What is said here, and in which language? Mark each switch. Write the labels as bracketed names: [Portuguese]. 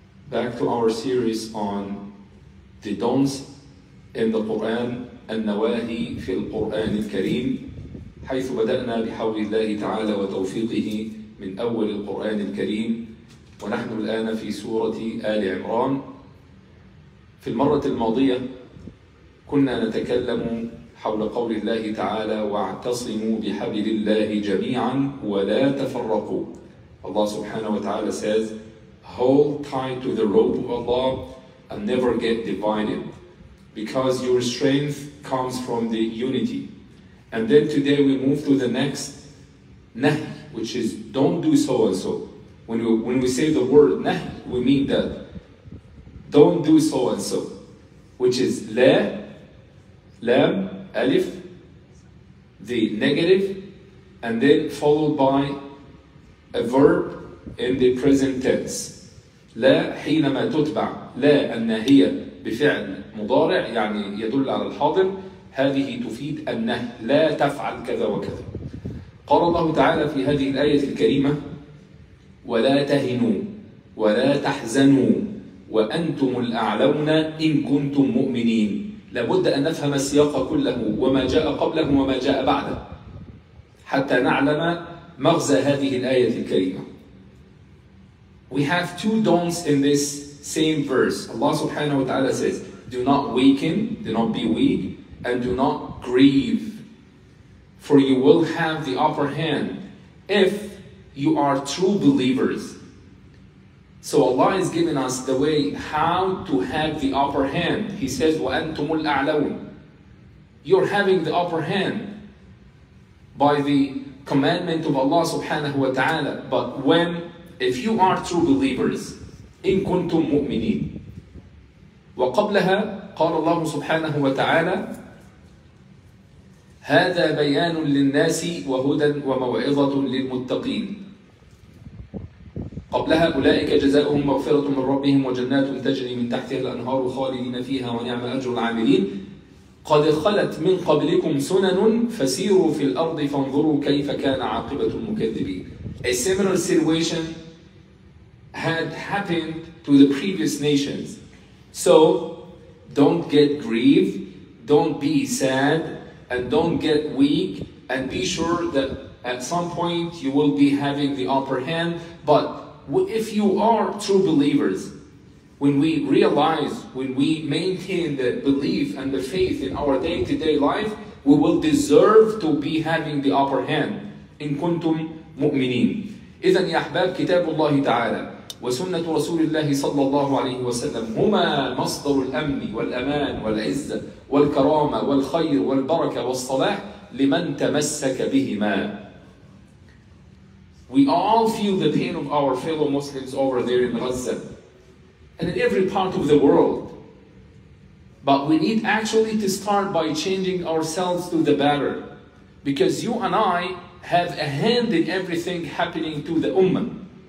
[English] Back to our series on the don'ts in the Quran, [Arabic] النواهي في القرآن الكريم، حيث بدأنا بحول الله تعالى وتوفيقه من أول القرآن الكريم، ونحن الآن في سورة آل عمران. في المرة الماضية كنا نتكلم حول قول الله تعالى: واعتصموا بحبل الله جميعا ولا تفرقوا. الله سبحانه وتعالى [English] says: hold tight to the rope of Allah and never get divided, because your strength comes from the unity. And then today we move to the next nahy, which is don't do so and so. When we say the word nahy, we mean that don't do so and so, which is la, lam, alif, the negative, and then followed by a verb in the present tense. [Arabic] لا حينما تتبع لا النهية بفعل مضارع يعني يدل على الحاضر، هذه تفيد أنه لا تفعل كذا وكذا. قال الله تعالى في هذه الآية الكريمة: ولا تهنوا ولا تحزنوا وأنتم الأعلون إن كنتم مؤمنين. لابد أن نفهم السياق كله، وما جاء قبله وما جاء بعده، حتى نعلم مغزى هذه الآية الكريمة. [English] We have two don'ts in this same verse. Allah subhanahu wa ta'ala says, do not weaken, do not be weak, and do not grieve. For you will have the upper hand if you are true believers. So Allah is giving us the way how to have the upper hand. He says, [Arabic] وَأَنْتُمُ الْأَعْلَوْنَ. [English] You're having the upper hand by the commandment of Allah subhanahu wa ta'ala. But when, if you are true believers, [Arabic] إِن كُنْتُمْ مُؤْمِنِينَ. وَقَبْلَهَا قَالَ اللَّهُ سُبْحَانَهُ وَتَعَالَى: هَذَا بَيَانٌ لِلنَّاسِ وَهُدًى وَمَوْعِظَةٌ لِلْمُتَّقِينَ. قبلها: أولئك جزاؤهم مغفرة من ربهم وجنات تجري من تحتها الأنهار خالدين فيها ونعم أجر العاملين. قد خلت من قبلكم سنن فسيروا في الأرض فانظروا كيف كان عاقبة المكذبين. [English] A similar situation had happened to the previous nations. So don't get grieved, don't be sad, and don't get weak, and be sure that at some point you will be having the upper hand. But if you are true believers, when we realize, when we maintain the belief and the faith in our day-to-day life, we will deserve to be having the upper hand. [Arabic] إن كنتم مؤمنين. إذن يا أحباب، كتاب الله تعالى وسنة رسول الله صلى الله عليه وسلم هما مصدر الأمن والأمان والعزة والكرامة والخير والبركة والصلاح لمن تمسك بهما. [English] We all feel the pain of our fellow Muslims over there in Gaza and in every part of the world. But we need actually to start by changing ourselves to the better, because you and I have a hand in everything happening to the Ummah.